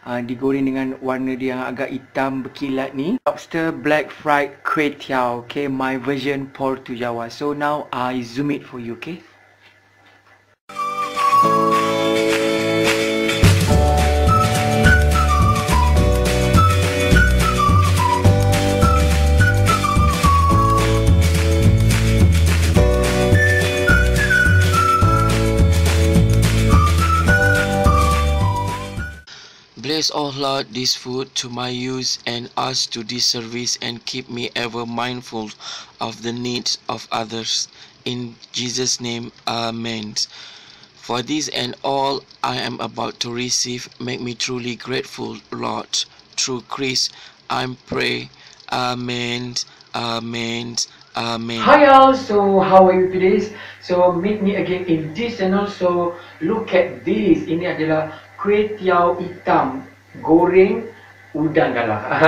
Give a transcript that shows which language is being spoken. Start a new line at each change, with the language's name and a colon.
Malay: Digoreng dengan warna dia yang agak hitam berkilat ni.
English: Lobster black fried kuih tiaw, okey. My version Portu Jawa. So now I zoom it for you, okey. Bless all Lord this food to my use and us to this service and keep me ever mindful of the needs of others. In Jesus' name, Amen. For this and all I am about to receive, make me truly grateful, Lord. Through Christ, I pray. Amen. Amen. Amen. Hi all, so how are you today? So meet me again in this and also look at this.
Malay: Ini adalah kuih tiaw hitam goreng udang galah.